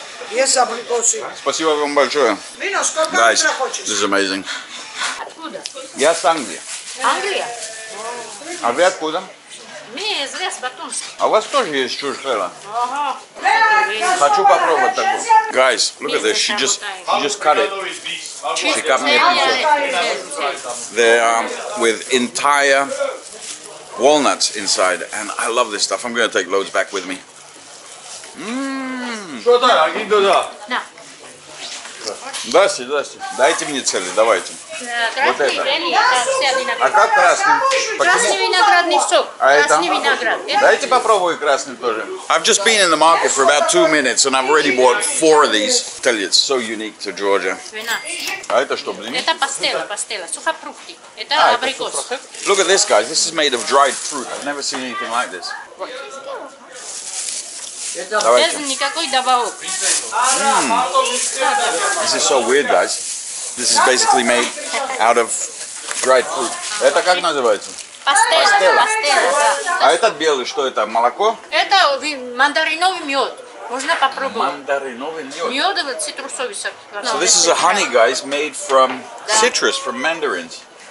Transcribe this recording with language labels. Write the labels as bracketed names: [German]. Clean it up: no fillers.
[Russian] Есть абрикосы. Спасибо вам большое. Вино, сколько [English] Guys, [Russian] литра хочешь? [English] This is amazing. [Russian] Откуда? Я с Англии. Англия? А вы откуда? Мы из Лес-Батумска. А у вас тоже есть чушь-хэла? Ага. Хочу попробовать такую. [English] Guys, look at this, she just cut it. She cut me a piece. They are with entire walnuts inside, and I love this stuff. I'm going to take loads back with me. [Russian] Что-то, иди туда. Здрасте, здрасте. Дайте мне цели, давайте. Вот это. А как красный? Почему? Красный виноградный сок. А это? Красный виноград. Дайте попробую красный тоже. [English] I've just been in the market for about 2 minutes and I've already bought 4 of these. I tell you, it's so unique to Georgia. [Russian] А это что, блин? Это пастела, сухофрукты. Это абрикос. [English] Look at this, guys. This is made of dried fruit. I've never seen anything like this. [Russian] Без никакой добавок. [English] This is so weird, guys. This is basically made out of dried fruit. [Russian] Это как называется? Пастела. Пастела. Пастела, да. А этот белый, что это, молоко? Это мандариновый мед. Можно попробовать. Мандариновый мед. Медовый цитрусовый сорт. [English] So this is a honey, guys, made from citrus, from mandarins.